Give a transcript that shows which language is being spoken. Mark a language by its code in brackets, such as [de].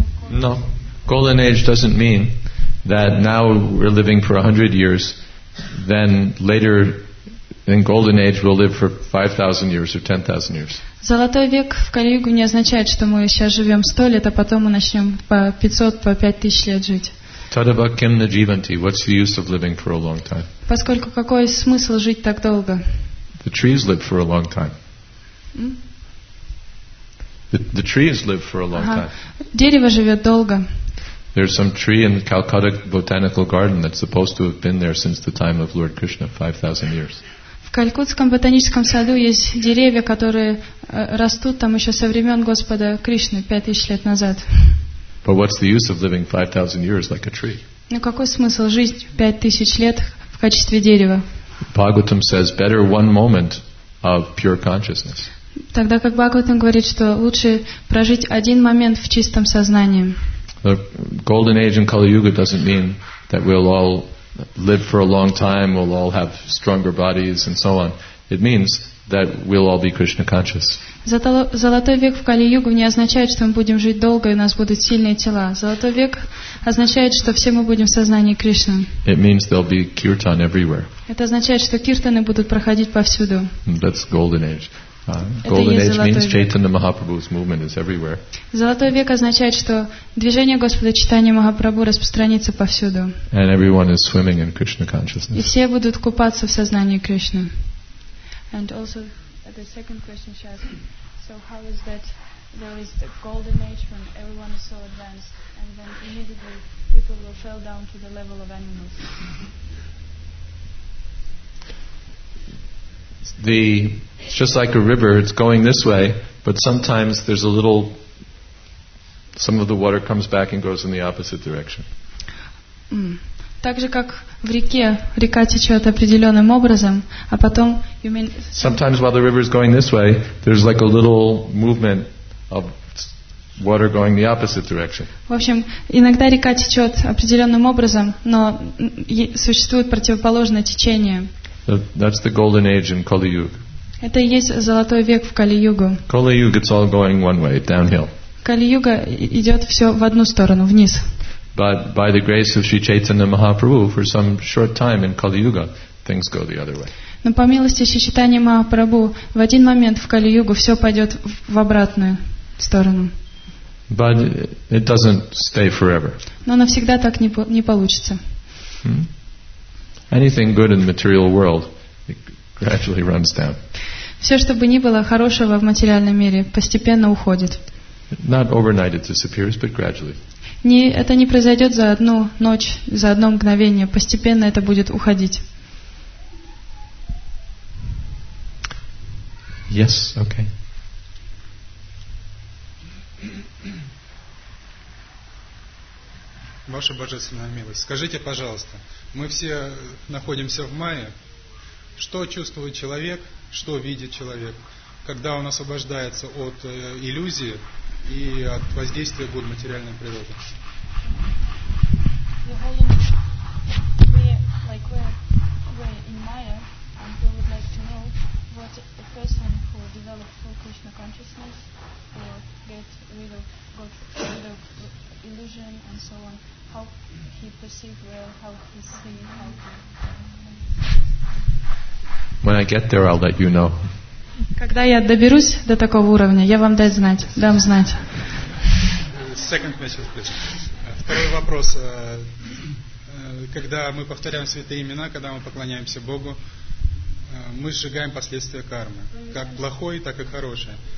[en] No, golden age doesn't mean that now we're living for 100 years, then later in golden age we'll live for 5,000 years or 10,000 years. [ru] Золотой век в Кали-Югу не означает, что мы сейчас живем 100 лет, а потом мы начнем по 500, по 5000 лет жить. [sa] Tadava kim na jivanti? [en] What's the use of living for a long time? [ru] Поскольку какой смысл жить так долго? [en] The trees live for a long time. The trees live for a long time. [ru] Дерево живет долго. [en] There's some tree in the Calcutta Botanical Garden that's supposed to have been there since the time of Lord Krishna, 5,000 years. [ru] В Калькутском ботаническом саду есть деревья, которые растут там еще со времен Господа Кришны, 5,000 лет назад. [en] But what's the use of living 5,000 years like a tree? [ru] Ну какой смысл жить 5,000 лет в качестве дерева? [en] Bhagavatam says better one moment of pure consciousness. [ru] Тогда как Бхагаватам говорит, что лучше прожить один момент в чистом сознании. [en] The golden age in Kali Yuga doesn't mean that we'll all live for a long time, we'll all have stronger bodies and so on. It means that we'll all be Krishna conscious. [ru] Золотой век в Кали-Югу не означает, что мы будем жить долго и у нас будут сильные тела. Золотой век означает, что все мы будем в сознании Кришны. [en] It means there'll be kirtan everywhere. [ru] Это означает, что киртаны будут проходить повсюду. [en] That's golden age. Golden age means Chaitanya Mahaprabhu's movement is everywhere. [ru] Золотой век означает, что движение Господа Чайтаньи Махапрабху распространится повсюду. [en] And everyone is swimming in Krishna consciousness. [ru] И все будут купаться в сознании Кришны. [en] And also the second question she asked, so how is that there is the golden age when everyone is so advanced and then immediately people will fall down to the level of animals? It's just like a river, it's going this way, but sometimes there's a little, some of the water comes back and goes in the opposite direction. [ru] Так же, как в реке, река течет определенным образом, а потом... [en] You mean, sometimes while the river is going this way, there's like a little movement of water going the opposite direction. [ru] В общем, иногда река течет определенным образом, но существует противоположное течение. [en] That's the golden age in Kali Yuga. [ru] Это и есть золотой век в Кали-Югу. [en] Kali Yuga, it's all going one way, downhill. [ru] Кали-Юга идет все в одну сторону, вниз. [en] But by the grace of Sri Chaitanya Mahaprabhu, for some short time in Kali Yuga, things go the other way. [ru] Но по милости Шри Чайтаньи Махапрабху в один момент в Кали Югу все пойдет в обратную сторону. [en] But it doesn't stay forever. [ru] Но навсегда так не получится. [en] Anything good in the material world, it gradually runs down. [ru] Все, что бы ни было хорошего в материальном мире, постепенно уходит. [en] Not overnight it disappears, but gradually. [ru] Это не произойдет за одну ночь, за одно мгновение. Постепенно это будет уходить. [en] Yes, okay. [ru] Ваша божественная милость, скажите, пожалуйста, мы все находимся в мае. Что чувствует человек, что видит человек, когда он освобождается от иллюзии и от воздействия гун материальной природы? [en] Your Holiness, we're in Maya, and we would like to know what a person who develops full Krishna consciousness or get rid of illusion and so on, how he perceives well, how he sees, how he... When I get there, I'll let you know. [ru] Когда я доберусь до такого уровня, я вам дам знать. [en] Second message, please. [ru] Второй вопрос. Когда мы повторяем святые имена, когда мы поклоняемся Богу, мы сжигаем последствия кармы, как плохой, так и хорошее.